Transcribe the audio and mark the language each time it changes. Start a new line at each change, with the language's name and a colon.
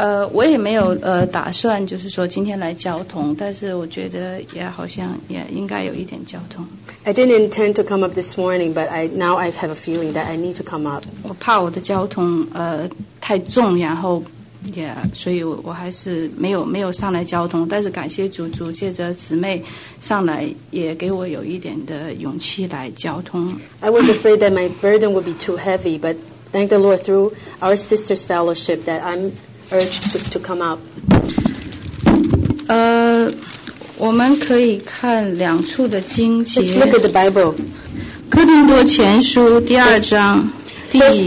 Chinese: 我也没有打算就是说今天来交通，但是我觉得也好像也应该有一点交通。
English: I didn't intend to come up this morning, but now I have a feeling that I need to come up.
Chinese: 我怕我的交通太重，然后所以我还是没有上来交通，但是感谢主，借着姊妹上来也给我有一点的勇气来交通。
English: I was afraid that my burden would be too heavy, but thank the Lord through our sister's fellowship that I'm urged to come up.
Chinese: 我们可以看两处的经节。
English: Let's look at the Bible.
Chinese: 哥林多前书第二章第二节。